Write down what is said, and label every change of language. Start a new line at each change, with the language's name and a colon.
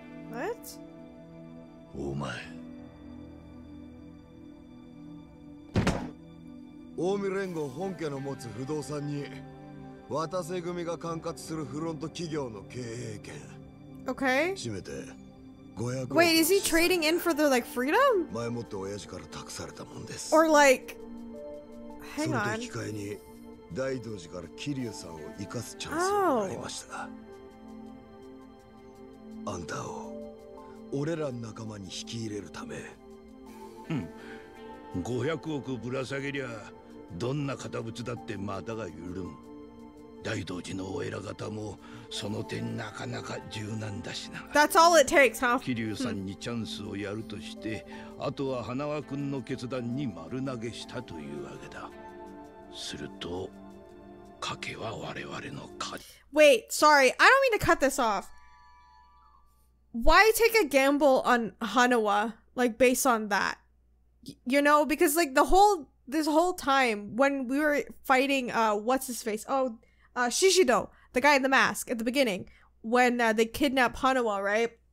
English: What?
Japanese: お前、近江連合本家の持つ不動産に渡瀬組が管轄するフロント企業の経営権、
English: OK、
Japanese: 締めて。
English: Wait, is he trading in for the like freedom?
Japanese: 前もって親父から託されたもんです。
English: Or like, hang on.
Japanese: それと引き換えに大道寺からキリュウさんを生かすチャンスをもらいましたが、あんたを俺らの仲間に引き入れるため。 500億ぶら下げりゃどんな堅物だってまたが緩む。大道寺のお偉方もその点なかなか柔軟だしな。
English: That's all it takes, huh?
Japanese: キリュウさんにチャンスをやるとして、あとは花輪君の決断に丸投げしたというわけだ。すると賭けは我々の勝ち。
English: Wait, sorry, I don't mean to cut this off. Why take a gamble on Hanawa, like based on that? You know, because like the whole, this whole time when we were fighting, what's his face? Shishido, the guy in the mask at the beginning, when they kidnap Hanawa, right?